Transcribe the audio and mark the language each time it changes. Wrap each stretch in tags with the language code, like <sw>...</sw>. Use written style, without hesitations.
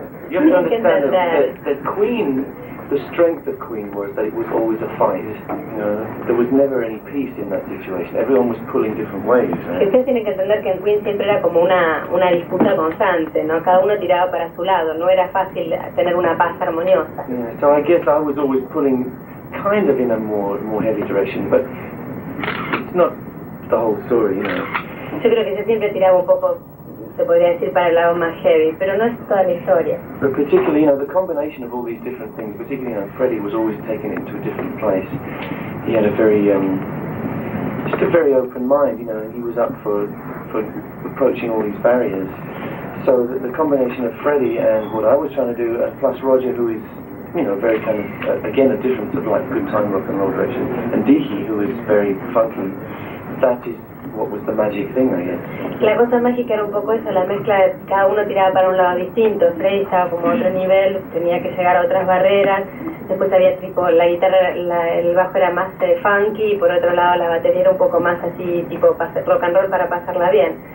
<en>You have to understand that Queen, the strength of Queen was that it was always a fight. There was never any peace in that situation. Everyone was pulling different ways. Right?</en> <es>Usted tiene que entender que en Queen siempre era como una disputa constante, ¿no? Cada uno tiraba para su lado. No era fácil tener una paz armoniosa.</es> <en>Yeah, so I guess I was always pulling kind of in a more heavy direction, but it's not the whole story, you know.</en> <es>Yo creo que yo siempre tiraba un poco, se podría decir, para el lado más heavy, pero no es toda la historia.</es> <en>But particularly, you know, the combination of all these different things, particularly, you know, Freddie was always taking it to a different place. He had a very, just a very open mind, you know, and he was up for approaching all these barriers. So the combination of Freddie and what I was trying to do, plus Roger, who is, you know, very kind of, again, a difference of like good time rock and roll direction, and Dihi, who is very funky, that is what was the magic thing, I guess.</en> <es>La cosa mágica era un poco eso, la mezcla de cada uno tiraba para un lado distinto. Freddie estaba como a otro nivel, tenía que llegar a otras barreras. Después había tipo, la guitarra, el bajo era más funky, y por otro lado la batería era un poco más así, tipo rock and roll para pasarla bien.</es>